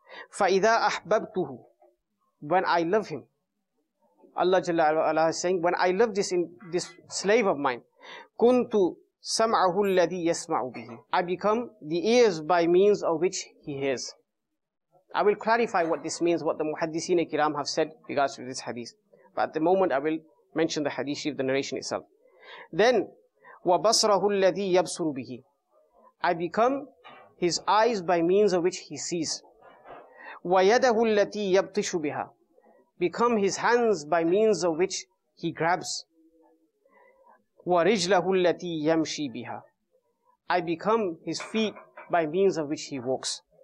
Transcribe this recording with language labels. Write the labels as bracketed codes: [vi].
[ar] Fa'idha ahbabtuhu. [en] When I love him. Allah Jalla ala is saying, when I love this slave of mine, [ar] kuntu سَمْعَهُ الَّذِي يَسْمَعُ بِهِ. [en] I become the ears by means of which he hears. I will clarify what this means, what the muhaddithin kiram have said regards to this hadith. But at the moment, I will mention the hadith of the narration itself. Then, [ar] وَبَصْرَهُ الَّذِي يَبْصُرُ بِهِ. [en] I become his eyes by means of which he sees. [ar] وَيَدَهُ الَّتِي يَبْطِشُ بِهَا. [en] Become his hands by means of which he grabs. [ar] وَرِجْلَهُ الَّتِي يَمْشِي بِهَا. [en] I become his feet by means of which he walks.